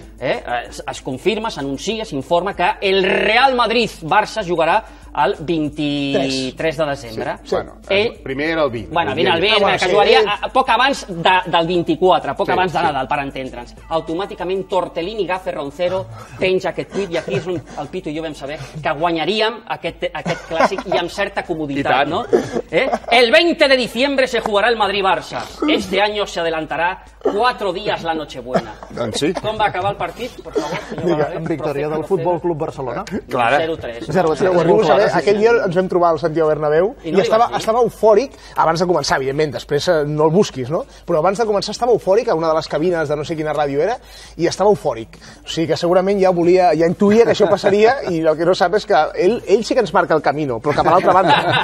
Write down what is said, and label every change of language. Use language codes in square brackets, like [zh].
[ca] Es confirma, s'anuncia, s'informa que el Real Madrid-Barça jugarà el 23 de desembre. Primer era el 20. Bueno, vine el 20, que jugaria poc abans del 24, poc abans de Nadal, per entendre'ns. Automàticament Tortellini agafa Roncero, penja aquest tuit, i aquí és on el Pito i jo vam saber que guanyaríem aquest clàssic i amb certa comoditat, no? [es] El 20 de diciembre se jugará el Madrid-Barça. Este año se adelantará 4 días la Nochebuena. [ca] Doncs sí. Com va acabar el partit? En victòria del Futbol Club Barcelona. 0-3. Aquell dia ens vam trobar al Santiago Bernabéu i estava eufòric abans de començar, evidentment, després no el busquis, però abans de començar estava eufòric a una de les cabines de no sé quina ràdio era i estava eufòric, o sigui que segurament ja volia, ja intuïa que això passaria, i el que no sap és que ell sí que ens marca [es] el camino, [ca] però cap a l'altra banda.